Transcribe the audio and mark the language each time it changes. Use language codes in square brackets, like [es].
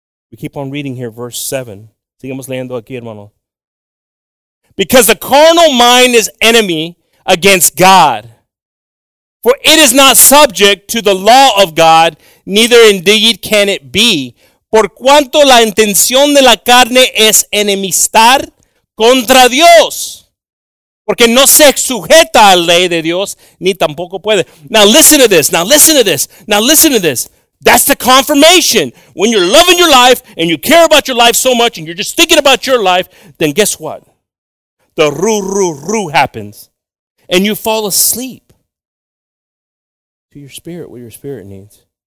[en] We keep on reading here, verse 7. [es] Seguimos leyendo aquí, hermano. [en] Because the carnal mind is enemy against God. For it is not subject to the law of God, neither indeed can it be. [es] Por cuanto la intención de la carne es enemistar contra Dios. Porque no se sujeta a la ley de Dios, ni tampoco puede. [en] Now listen to this. That's the confirmation. When you're loving your life and you care about your life so much and you're just thinking about your life, then guess what? The roo, roo, roo happens. And you fall asleep. To your spirit, what your spirit needs.